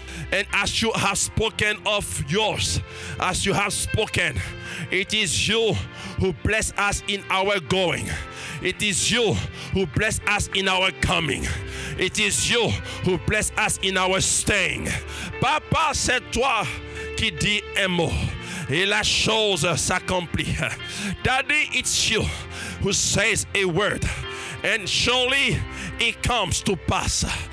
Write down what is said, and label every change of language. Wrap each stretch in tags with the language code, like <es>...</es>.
<en>And as you have spoken of yours, as you have spoken, it is you who bless us in our going. It is you who bless us in our coming. It is you who bless us in our staying.</en> <fr>Papa, c'est toi qui dit un mot et la chose s'accomplit.</fr> <en>Daddy, it's you who says a word and surely it comes to pass.</en>